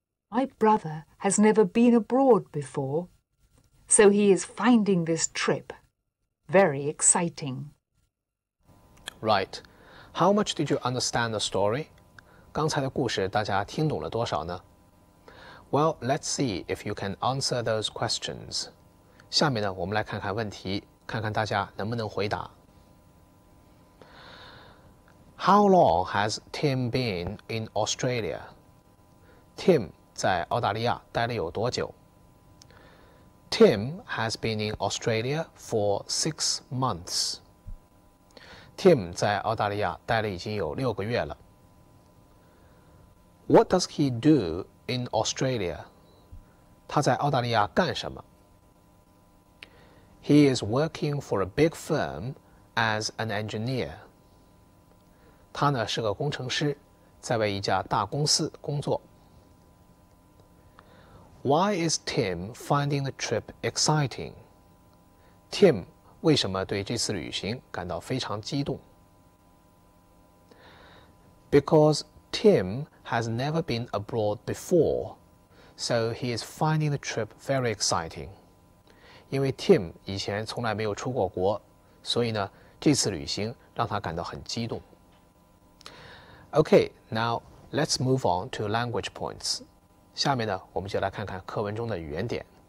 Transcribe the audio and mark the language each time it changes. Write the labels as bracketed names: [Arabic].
[English] My brother has never been abroad before, so he is finding this trip very exciting. Right. How much did you understand the story? [Chinese] 刚才的故事大家听懂了多少呢？ [English] Well, let's see if you can answer those questions. [Chinese] 下面呢，我们来看看问题，看看大家能不能回答。 [English] How long has Tim been in Australia? Tim [Chinese] 在澳大利亚待了有多久？ [English] Tim has been in Australia for 6 months. [Chinese] Tim 在澳大利亚待了已经有六个月了。 [English] What does he do in Australia? [Chinese] 他在澳大利亚干什么？ [English] He is working for a big firm as an engineer. [Chinese] 他呢是个工程师，在为一家大公司工作。 [English] Why is Tim finding the trip exciting? [Chinese] Tim 为什么对这次旅行感到非常激动？ [English] Because Tim has never been abroad before, so he is finding the trip very exciting. [Chinese] 因为 Tim 以前从来没有出过国，所以呢这次旅行让他感到很激动。 [English] Okay, now let's move on to language points. [Chinese] 下面呢，我们就来看看课文中的语言点。